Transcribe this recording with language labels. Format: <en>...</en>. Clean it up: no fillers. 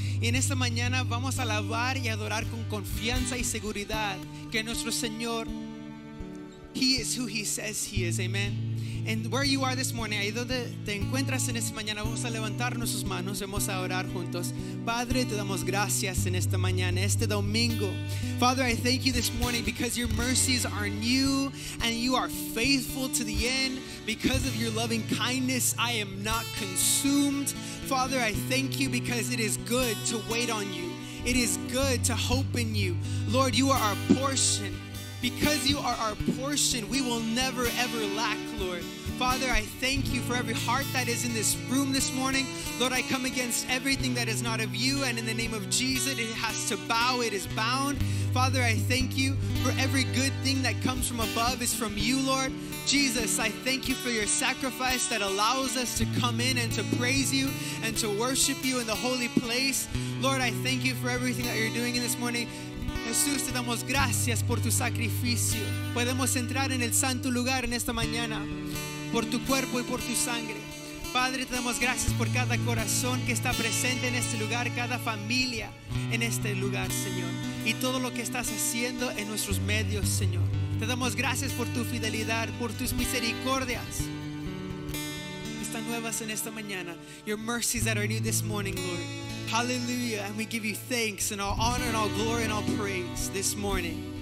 <es>Y en esta mañana vamos a alabar y adorar con confianza y seguridad que nuestro Señor,</es> <en>He is who He says He is,</en> <es>amen.</es> <en>And where you are this morning,</en> <es>ahí donde te encuentras en esta mañana, vamos a levantar nuestras manos, vamos a orar juntos. Padre, te damos gracias en esta mañana, este domingo.</es> <en>Father, I thank you this morning because your mercies are new and you are faithful to the end. Because of your loving kindness, I am not consumed. Father, I thank you because it is good to wait on you. It is good to hope in you. Lord, you are our portion. Because you are our portion, we will never ever lack, Lord. Father, I thank you for every heart that is in this room this morning. Lord, I come against everything that is not of you, and in the name of Jesus, it has to bow, it is bound. Father, I thank you for every good thing that comes from above is from you, Lord. Jesus, I thank you for your sacrifice that allows us to come in and to praise you and to worship you in the holy place. Lord, I thank you for everything that you're doing in this morning.</en> <es>Jesús, te damos gracias por tu sacrificio. Podemos entrar en el santo lugar en esta mañana por tu cuerpo y por tu sangre. Padre, te damos gracias por cada corazón que está presente en este lugar, cada familia en este lugar, Señor, y todo lo que estás haciendo en nuestros medios, Señor. Te damos gracias por tu fidelidad, por tus misericordias están nuevas en esta mañana.</es> <en>Your mercies that are new this morning, Lord. Hallelujah, and we give you thanks and all honor and all glory and all praise this morning.</en>